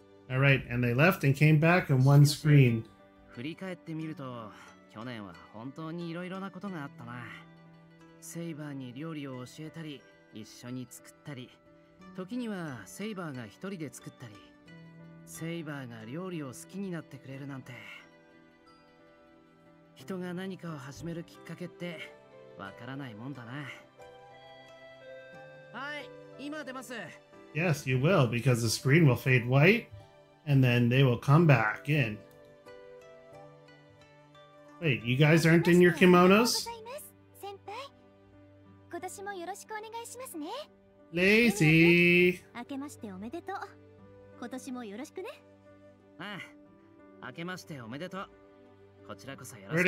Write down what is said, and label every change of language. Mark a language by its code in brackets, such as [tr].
[en] All right, and they left and came back on one screen. [ja] 振り返ってみると、去年は本当にいろいろなことがあったな。セイバーに料理を教えたり、一緒に作ったり、時にはセイバーが一人で作ったり、セイバーが料理を好きになってくれるなんて。人が何かを始めるきっかけってわからないもんだな。はい、今出ます。 [en] Yes, you will, because the screen will fade white, and then they will come back in. Wait, you guys aren't in your kimonos? [ja] ありがとうございます、先輩。今年もよろしくお願いしますね。 [en] Lazy! [ja] 明けましておめでとう。今年もよろしくね。ああ、明けましておめでとう。こちらこそよろしく。